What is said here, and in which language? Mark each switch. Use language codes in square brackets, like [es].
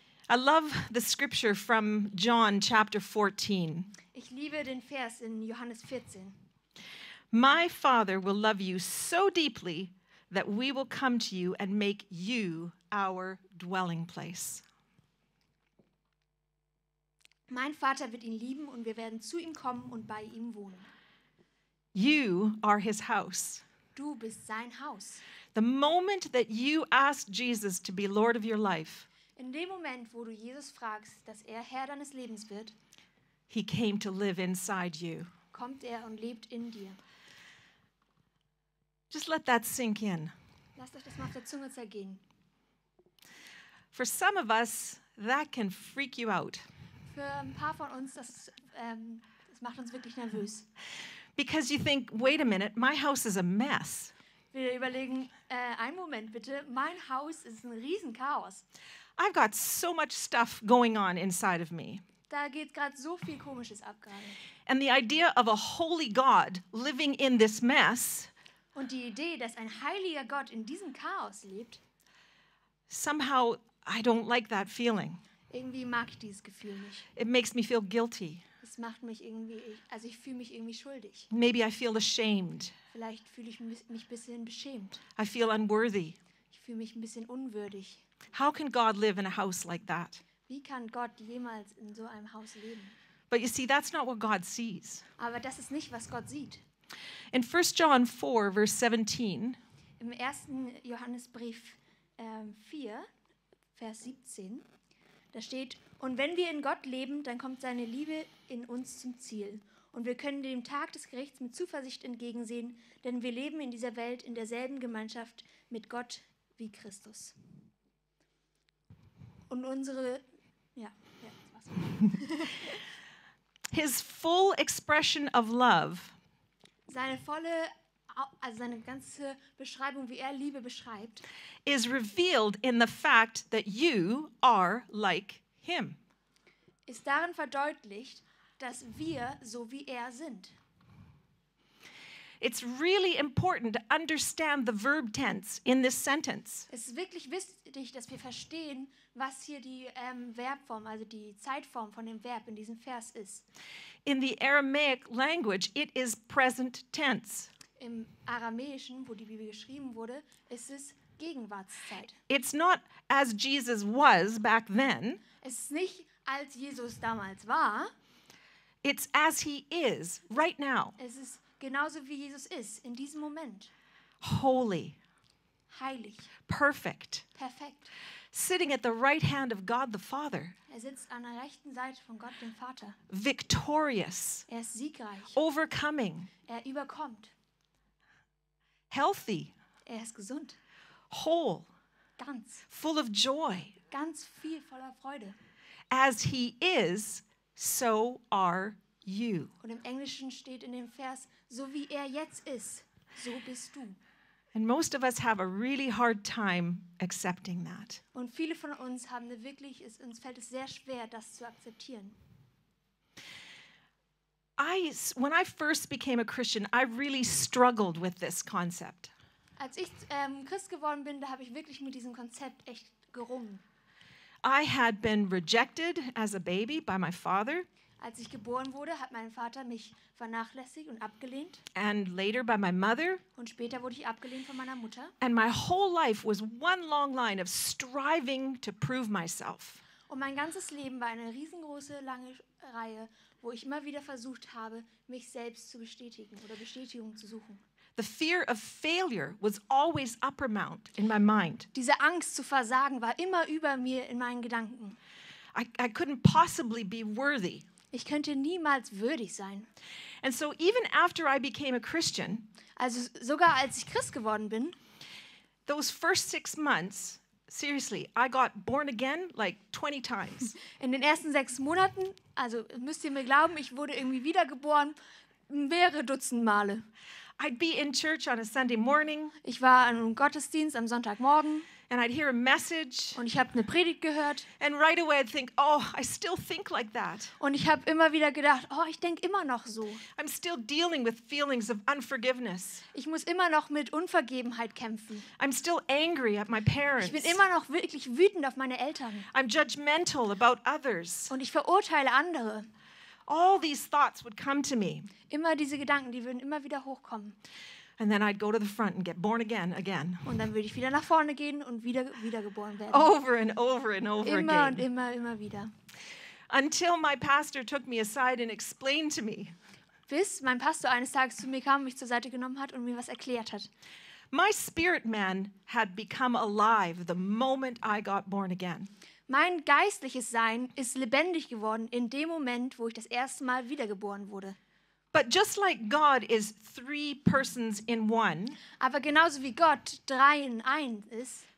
[en] I love the scripture from John chapter 14. [de] Ich liebe den Vers in Johannes 14. [en] My Father will love you so deeply that we will come to you and make you our dwelling place. [de] Mein Vater wird ihn lieben und wir werden zu ihm kommen und bei ihm wohnen. [en] You are his house. [de] Du bist sein Haus. [en] The moment that you ask Jesus to be Lord of your life, [de] in dem Moment, wo du Jesus fragst, dass er Herr deines Lebens wird, [en] he came to live inside you. [de] Kommt er und lebt in dir. [en] Just let that sink in. [de] Lasst euch das mal auf der Zunge zergehen. [en] For some of us, that can freak you out. [de] Für ein paar von uns, das macht uns wirklich nervös. [en] Because you think, wait a minute, my house is a mess. [de] Wir überlegen, einen Moment bitte, mein Haus ist ein Riesenchaos. [en] I've got so much stuff going on inside of me. [de] Da geht gerade so viel Komisches ab gerade. [en] And the idea of a holy God living in this mess. [de] Und die Idee, dass ein heiliger Gott in diesem Chaos lebt. [en] Somehow, I don't like that feeling. [de] Irgendwie mag ich dieses Gefühl nicht. [en] It makes me feel guilty. [de] Es macht mich irgendwie, also ich fühle mich irgendwie schuldig. [en] Maybe I feel ashamed. [de] Vielleicht fühle ich mich ein bisschen beschämt. [en] I feel unworthy. [de] Ich fühle mich ein bisschen unwürdig. [en] How can God live in a house like that? [de] Wie kann Gott jemals in so einem Haus leben? [en] But you see, that's not what God sees. [de] Aber das ist nicht, was Gott sieht. [en] In 1 John 4, verse 17. [de] Im 1. Johannesbrief 4, Vers 17. Da steht, und wenn wir in Gott leben, dann kommt seine Liebe in uns zum Ziel. Und wir können dem Tag des Gerichts mit Zuversicht entgegensehen, denn wir leben in dieser Welt in derselben Gemeinschaft mit Gott wie Christus. Und unsere, ja, das war's. [en] His full expression of love. [de] Seine volle, also seine ganze Beschreibung, wie er Liebe beschreibt, [en] is revealed in the fact that you are like him. [de] Ist darin verdeutlicht, dass wir so wie er sind. [en] It's really important to understand the verb tense in this sentence. [de] Es ist wirklich wichtig, dass wir verstehen, was hier die Verbform, also die Zeitform von dem Verb in diesem Vers ist. [en] In the Aramaic language, it is present tense. [de] Im Aramäischen, wo die Bibel geschrieben wurde, ist es Gegenwartszeit. [en] It's not as Jesus was back then. [de] Es ist nicht, als Jesus damals war. [en] It's as he is right now. [de] Es ist genauso wie Jesus ist in diesem Moment. [en] Holy. [de] Heilig. [en] Perfect. [de] Perfekt. [en] Sitting at the right hand of God the Father. [de] Er sitzt an der rechten Seite von Gott dem Vater. [en] Victorious. [de] Er ist siegreich. [en] Overcoming. [de] Er überkommt. [en] Healthy. [de] Er ist gesund. [en] Whole. [de] Ganz. [en] Full of joy. [de] Ganz viel voller Freude. [en] As he is, so are you. [de] Und im Englischen steht in dem Vers, so wie er jetzt ist, so bist du. [en] And most of us have a really hard time accepting that. [de] Und viele von uns haben wirklich, uns fällt es sehr schwer, das zu akzeptieren. [en] When I first became a Christian, I really struggled with this concept. [de] Als ich Christ geworden bin, da habe ich wirklich mit diesem Konzept echt gerungen. [en] I had been rejected as a baby by my father. [de] Als ich geboren wurde, hat mein Vater mich vernachlässigt und abgelehnt. [en] And later by my mother. [de] Und später wurde ich abgelehnt von meiner Mutter. [en] And my whole life was one long line of striving to prove myself. [de] Und mein ganzes Leben war eine riesengroße lange Reihe, wo ich immer wieder versucht habe, mich selbst zu bestätigen oder Bestätigung zu suchen. [en] The fear of failure was always uppermount in my mind. [de] Diese Angst zu versagen war immer über mir in meinen Gedanken. [en] I couldn't possibly be worthy. [de] Ich könnte niemals würdig sein. [en] And so even after I became a Christian, [de] also sogar als ich Christ geworden bin, [en] those first 6 months, seriously, I got born again like 20 times. [de] In den ersten 6 Monaten, also müsst ihr mir glauben, ich wurde irgendwie wiedergeboren mehrere Dutzend Male. [en] I'd be in church on a Sunday morning. [de] Ich war an einem Gottesdienst am Sonntagmorgen. [en] And I'd hear a message. [de] Und ich habe eine Predigt gehört. [en] And right away I'd think, oh, I still think like that. [de] Und ich habe immer wieder gedacht, oh, ich denke immer noch so. [en] I'm still dealing with feelings of unforgiveness. [de] Ich muss immer noch mit Unvergebenheit kämpfen. [en] I'm still angry at my parents. [de] Ich bin immer noch wirklich wütend auf meine Eltern. [en] I'm judgmental about others. [de] Und ich verurteile andere. [en] All these thoughts would come to me. [de] Immer diese Gedanken, die würden immer wieder hochkommen. [en] And then I'd go to the front and get born again, again. [de] Und dann würde ich wieder nach vorne gehen und wiedergeboren werden. [en] Over and over and over again. [de] Immer und immer, immer wieder. [en] Until my pastor took me aside and explained to me. [de] Bis mein Pastor eines Tages zu mir kam, mich zur Seite genommen hat und mir was erklärt hat. [en] My spirit man had become alive the moment I got born again. [de] Mein geistliches Sein ist lebendig geworden in dem Moment, wo ich das erste Mal wiedergeboren wurde. [en] But just like God is three persons in one, [de] aber genauso wie Gott drei in eins ist,